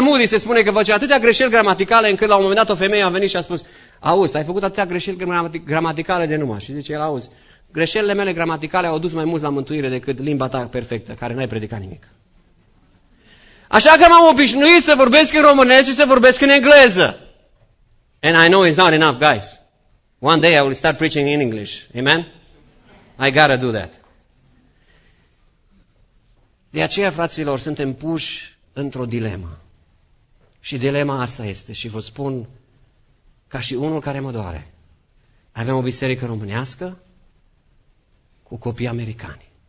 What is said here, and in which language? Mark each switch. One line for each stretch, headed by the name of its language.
Romanian: Moody se spune că făcea atâtea greșeli gramaticale încât la un moment dat o femeie a venit și a spus: auzi, ai făcut atâtea greșeli gramaticale de numai. Și zice el: auzi, greșelile mele gramaticale au dus mai mult la mântuire decât limba ta perfectă, care n-ai predicat nimic. Așa că m-am obișnuit să vorbesc în românesc și să vorbesc în engleză.
English: And I know it's not enough, guys. One day I will start preaching in English. Amen? I gotta do that.
Romanian: De aceea, fraților, suntem puși într-o dilemă. Și dilema asta este, și vă spun ca și unul care mă doare. Avem o biserică românească cu copii americani.